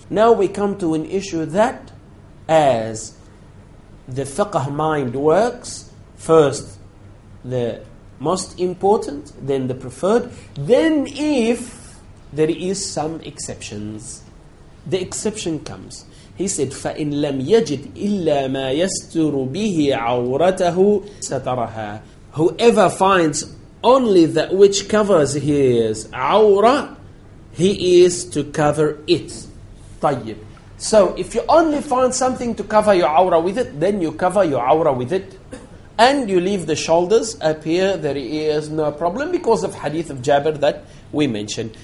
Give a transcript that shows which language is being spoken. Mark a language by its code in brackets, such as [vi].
[en] Now we come to an issue that, as the fiqh mind works, first the most important, then the preferred, then if there is some exceptions. The exception comes. He said, [ar] فَإِن لَمْ يَجِدْ إِلَّا مَا يَسْتُرُ بِهِ عَوْرَتَهُ سَتَرَهَا. [en] Whoever finds only that which covers his awra, he is to cover it. [ar] طيب. [en] So if you only find something to cover your awra with it, then you cover your awra with it. And you leave the shoulders up here, there is no problem because of hadith of Jabir that we mentioned.